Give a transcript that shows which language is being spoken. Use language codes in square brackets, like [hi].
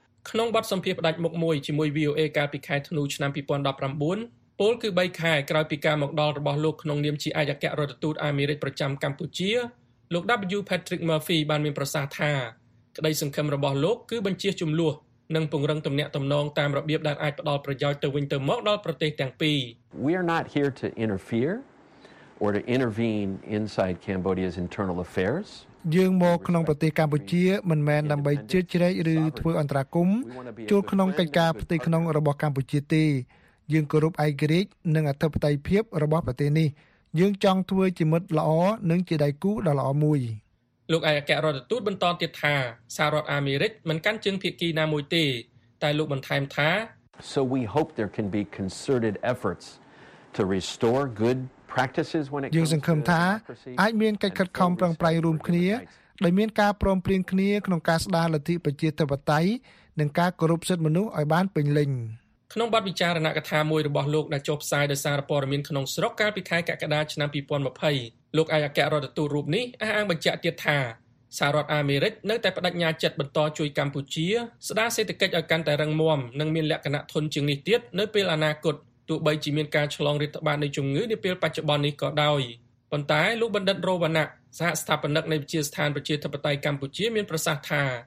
[km] ក្នុងបទសម្ភាសន៍ផ្ដាច់មុខមួយជាមួយ VOA កាលពីខែធ្នូឆ្នាំ2019ពលគឺ3ខែក្រោយពីការមកដល់របស់លោកក្នុងនាមជាអគ្គរដ្ឋទូតអាមេរិកប្រចាំកម្ពុជាលោក W. Patrick Murphy បានមានប្រសាសន៍ថាក្តីសង្ឃឹមរបស់លោកគឺបញ្ជាជំនួសនិងពង្រឹងទំនាក់ទំនងតាមរបៀបដែលអាចផ្ដល់ប្រយោជន៍ទៅវិញទៅមកដល់ប្រទេសទាំងពីរ [en] We are not here to interfereor to intervene inside Cambodia's internal affairs [km] យើងមកក្នុងប្រទេសកម្ពុជាមិនមែនដើម្បីជឿជ្រែកឬធ្វើអន្តរាគមន៍ចូលក្នុងកិច្ចការផ្ទៃក្នុងរបស់កម្ពុជាទេយើងគោរពឯករាជ្យនិងអធិបតេយ្យភាពរបស់ប្រទេសនេះយើងចង់ធ្វើជាមិត្តល្អនិងជាដៃគូដ៏ល្អមួយ លោកឯកអគ្គរដ្ឋទូតបន្តទៀតថាសហរដ្ឋអាមេរិកមិនកាន់ជើងភាគីណាមួយទេតែលោកបន្ថែមថា [en] So we hope there can be concerted efforts to restore goodpractices when it comes to using Kumta [km] អាចមានកិច្ចខិតខំប្រឹងប្រែងរួមគ្នាដែលមានការព្រមព្រៀងគ្នាក្នុងការស្ដារលទ្ធិប្រជាធិបតេយ្យនិងការគោរពសិទ្ធិមនុស្សឲ្យបានពេញលេញ ក្នុងបទពិចារណកថាមួយរបស់លោកដែលចុះផ្សាយដោយសារព័ត៌មានក្នុងស្រុកកាលពីខែកក្កដាឆ្នាំ2020លោកឯកអគ្គរដ្ឋទូតរូបនេះអះអាងបញ្ជាក់ទៀតថាសហរដ្ឋអាមេរិកនៅតែបដិញ្ញាចិត្តបន្តជួយកម្ពុជាស្ដារសេដ្ឋកិច្ចឲ្យកាន់តែរឹងមាំនិងមានលក្ខណៈធន់ជាងនេះទៀតនៅពេលអនាគតទោះបីជាមានការឆ្លងរាតត្បាតនៃជំងឺនាពេលបច្ចុប្បន្ននេះក៏ដោយប៉ុន្តែលោកបណ្ឌិតរោវណ្ណៈសហស្ថាបនិកនៃវិទ្យាស្ថានប្រជាធិបតេយ្យកម្ពុជាមានប្រសាសន៍ថា